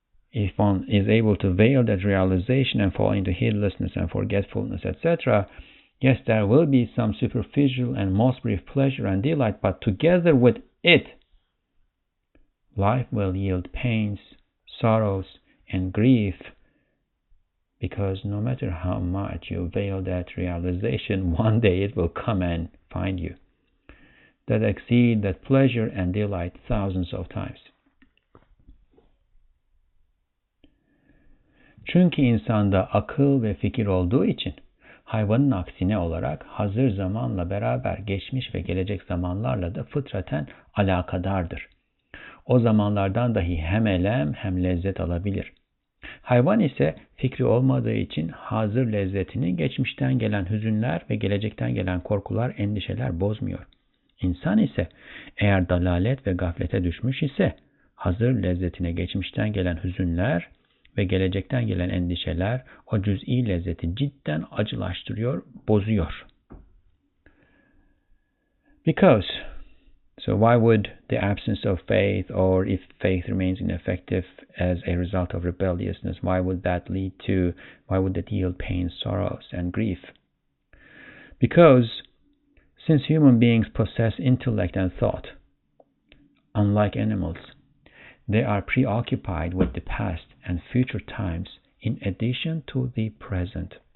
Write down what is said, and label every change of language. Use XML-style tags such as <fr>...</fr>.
<en>If one is able to veil that realization and fall into heedlessness and forgetfulness, etc., yes, there will be some superficial and most brief pleasure and delight, but together with it, life will yield pains, sorrows, and grief, because no matter how much you veil that realization, one day it will come and find you. That exceed that pleasure and delight thousands of times.</en> <tr>Çünkü insanda akıl ve fikir olduğu için, hayvanın aksine olarak hazır zamanla beraber geçmiş ve gelecek zamanlarla da fıtraten alakadardır. O zamanlardan dahi hem elem hem lezzet alabilir. Hayvan ise fikri olmadığı için hazır lezzetini geçmişten gelen hüzünler ve gelecekten gelen korkular, endişeler bozmuyor. İnsan ise eğer dalalet ve gaflete düşmüş ise hazır lezzetine geçmişten gelen hüzünler ve gelecekten gelen endişeler o cüz'i lezzeti cidden acılaştırıyor, bozuyor.</tr> <en>Because, so why would the absence of faith, or if faith remains ineffective as a result of rebelliousness, why would that yield pain, sorrows, and grief? Because, since human beings possess intellect and thought, unlike animals, they are preoccupied with the past and future times in addition to the present.</en>